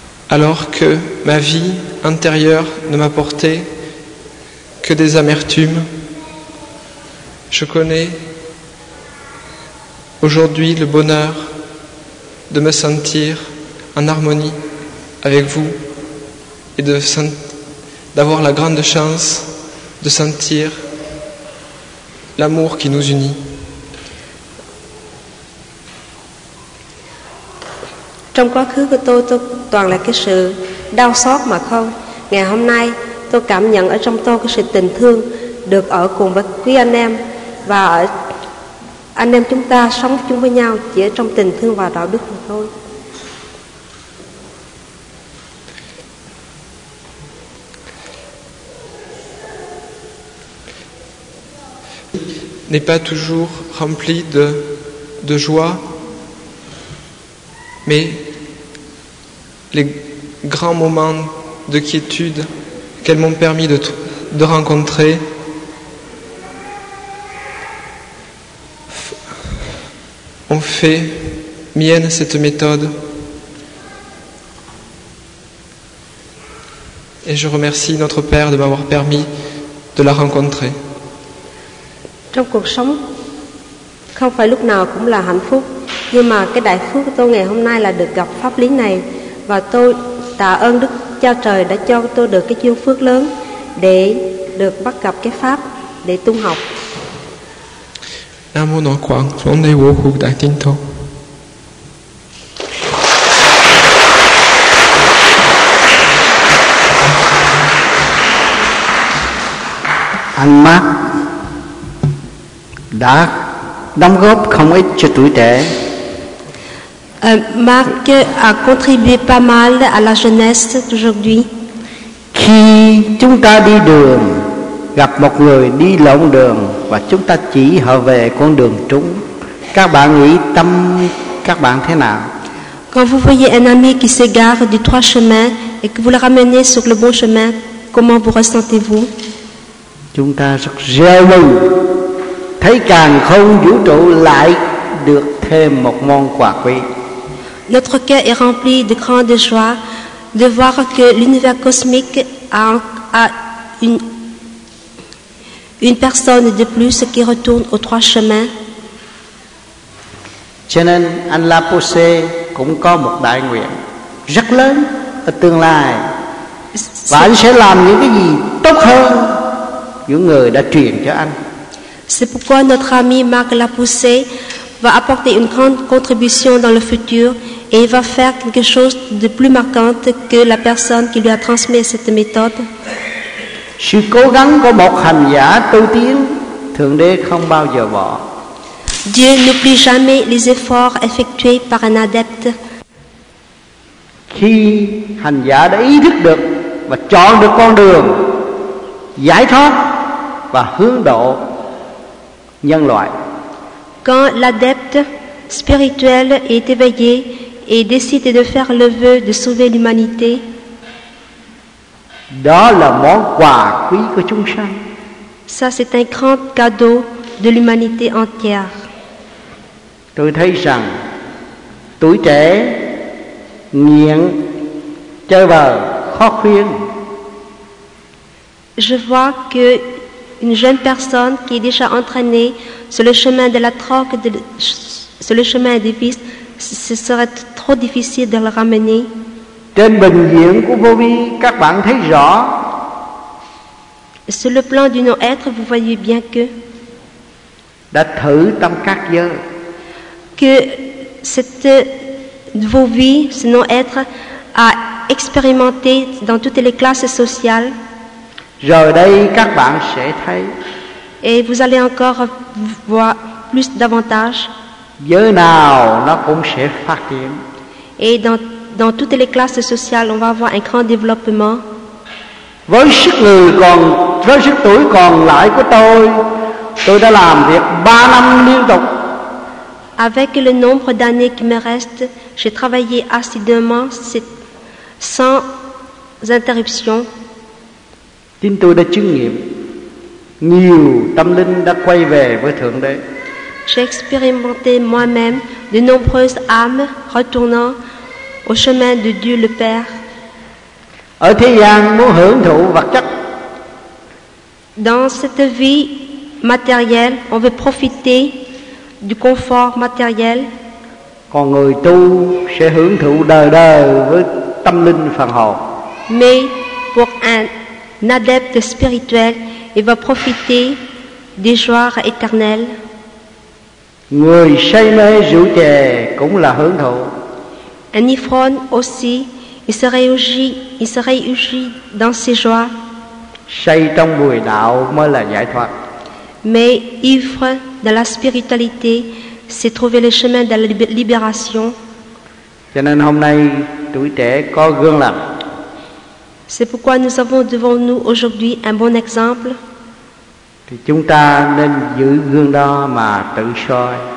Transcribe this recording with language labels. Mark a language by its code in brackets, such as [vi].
[fr] Alors que ma vie intérieure ne m'apportait que des amertumes, je connais aujourd'hui le bonheur de me sentir en harmonie avec vous et d'avoir la grande chance de sentir l'amour qui nous unit. [vi] Trong quá khứ của tôi toàn là cái sự đau xót mà không. Ngày hôm nay tôi cảm nhận ở trong tôi cái sự tình thương được ở cùng với quý anh em và ở anh em chúng ta sống chung với nhau chỉ ở trong tình thương và đạo đức mà thôi. [fr] N'est pas toujours rempli de joie, mais les grands moments de quiétude qu'elles m'ont permis de rencontrer ont fait mienne cette méthode. Et je remercie notre Père de m'avoir permis de la rencontrer. [vi] Trong cuộc sống, không phải lúc nào cũng là hạnh phúc, Nhưng mà cái đại phước của tôi ngày hôm nay là được gặp pháp lý này, và tôi tạ ơn Đức Cha Trời đã cho tôi được cái duyên phước lớn để được bắt gặp cái pháp để tu học. Nam mô Nam Quang, Phóng Đế Vô Hữu Đại Tinh Thông. Anh Mark đã đóng góp không ít cho tuổi trẻ. [fr] Mark a contribué pas mal à la jeunesse aujourd'hui. [vi] Khi chúng ta đi đường, gặp một người đi lộn đường và chúng ta chỉ họ về con đường trúng, các bạn nghĩ tâm các bạn thế nào? [fr] Quand vous voyez un ami qui s'égare du trois chemins et que vous le ramenez sur le bon chemin, comment vous ressentez-vous? [vi] Chúng ta rất reo mừng, thấy càng không vũ trụ lại được thêm một món quà quý. [fr] Notre cœur est rempli de grande joie de voir que l'univers cosmique a une personne de plus qui retourne aux trois chemins. [vi] Cho nên anh La Pose cũng có một đại nguyện rất lớn ở tương lai, và anh sẽ làm những cái gì tốt hơn những người đã truyền cho anh. [fr] C'est pourquoi notre ami Marc Lapousse va apporter une grande contribution dans le futur et il va faire quelque chose de plus marquante que la personne qui lui a transmis cette méthode. [vi] Sự cố gắng của một hành giả tu tiến, Thượng Đế không bao giờ bỏ. [fr] Dieu n'oublie jamais les efforts effectués par un adepte. [vi] Khi hành giả đã ý thức được và chọn được con đường giải thoát và hướng độ nhân loại. [fr] Quand l'adepte spirituel est éveillé et décide de faire le vœu de sauver l'humanité, [vi] đó là món quà quý của chúng sanh. [fr] Ça c'est un grand cadeau de l'humanité entière. [vi] Tôi thấy rằng tuổi trẻ nghiện chơi bời khó khuyên. [fr] Je vois que une jeune personne qui est déjà entraînée sur le chemin de la drogue, sur le chemin des vices, ce serait trop difficile de le ramener. [vi] Trên bệnh viện của vô vi, các bạn thấy rõ. [fr] Sur le plan du non-être, vous voyez bien que. [vi] Đã thử tâm các giới. [fr] Que cette vô vi, ce non-être, a expérimenté dans toutes les classes sociales. [vi] Rồi đây các bạn sẽ thấy. [fr] Et vous allez encore voir plus davantage. [vi] Giới nào nó cũng sẽ phát triển. [fr] Et dans toutes les classes sociales, on va avoir un grand développement. [vi] Với sức người còn, với sức tuổi còn lại của tôi đã làm việc 3 năm liên tục. [fr] Avec le nombre d'années qui me reste, j'ai travaillé assidûment sans interruption. [vi] Chính tôi đã chứng nghiệm nhiều tâm linh đã quay về với Thượng Đế. [fr] J'ai expérimenté moi-même de nombreuses âmes retournant au chemin de Dieu le Père. [vi] Ở thế gian muốn hưởng thụ vật chất. [fr] Dans cette vie matérielle, on veut profiter du confort matériel. [vi] Còn người tu sẽ hưởng thụ đời đời với tâm linh phần hồn. [fr] Mais pour un adepte spirituel, il va profiter des joies éternelles. [vi] Người say mê rượu chè cũng là hưởng thụ. [fr] Un ivrogne aussi, il se réjouit dans ses joies. [vi] Say trong bùi đạo mới là giải thoát. [fr] Mais ivre de la spiritualité, c'est trouver le chemin de la libération. [vi] Cho nên hôm nay tuổi trẻ có gương lành. [fr] C'est pourquoi nous avons devant nous aujourd'hui un bon exemple. [vi] Thì chúng ta nên giữ gương đó mà tự soi.